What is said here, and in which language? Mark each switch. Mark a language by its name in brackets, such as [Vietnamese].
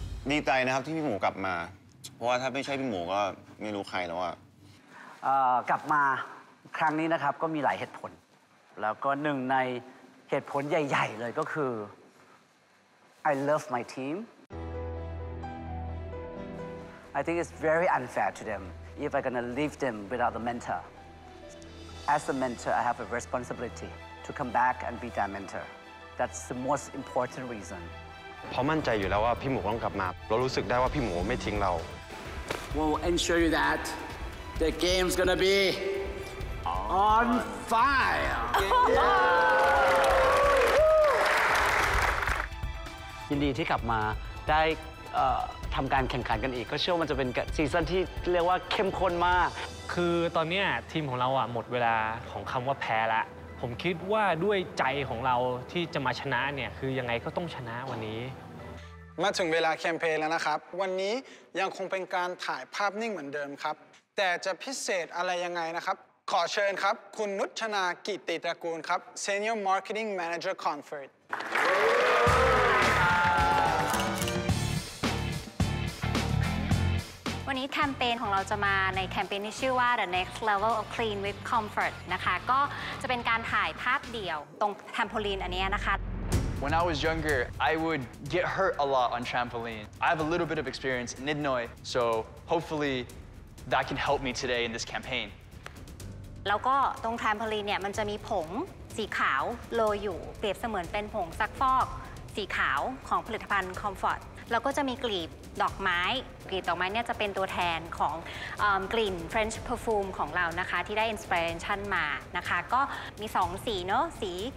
[Thai] ดีใจนะครับที่พี่หมูกลับมาเพราะว่าถ้าไม่ใช่พี่หมูก็ไม่รู้ใครแล้วอ่ะ กลับมาครั้งนี้นะครับก็มีหลายเหตุผลแล้วก็หนึ่งในเหตุผลใหญ่ๆเลยก็คือ [English] I love my team. I think it's very unfair to them if I'm gonna leave them without the mentor. As the mentor, I have a responsibility to come back and be their mentor. That's the most important reason. [Thai] เพราะมั่นใจอยู่แล้วว่าพี่หมูต้องกลับมาเรารู้สึกได้ว่าพี่หมูไม่ทิ้งเรา [English] We'll ensure you that the game's gonna be on fire. [Thai] ยินดีที่กลับมาได้ทำการแข่งขันกันอีกก็เชื่อมันจะเป็นซีซั่นที่เรียกว่าเข้มข้นมาก คือตอนนี้ทีมของเราอ่ะหมดเวลาของคำว่าแพ้ละผมคิดว่าด้วยใจของเราที่จะมาชนะเนี่ยคือยังไงก็ต้องชนะวันนี้มาถึงเวลาแคมเปญแล้วนะครับวันนี้ยังคงเป็นการถ่ายภาพนิ่งเหมือนเดิมครับแต่จะพิเศษอะไรยังไงนะครับขอเชิญครับคุณนุชนากิตติตระกูลครับ Senior Marketing Manager Comfort วันนี้แคมเปญของเราจะมาในแคมเปญที่ชื่อว่า The Next Level of Clean with Comfort นะคะก็จะเป็นการถ่ายภาพเดี่ยวตรงแทมโพลีนอันนี้นะคะ [English] When I was younger I would get hurt a lot on trampoline I have a little bit of experience [Thai] นิดหน่อย [English] so hopefully that can help me today in this campaign [Thai] แล้วก็ตรงแทมโพลีนเนี่ยมันจะมีผงสีขาวโรยอยู่เปรียบเสมือนเป็นผงซักฟอก สีขาวของผลิตภัณฑ์ Comfort เราก็จะมีกลีบดอกไม้กลีบดอกไม้เนี่ยจะเป็นตัวแทนของกลิ่น French Perfume ของเรานะคะที่ได้ Inspiration มานะคะก็มี2สีเนาะสี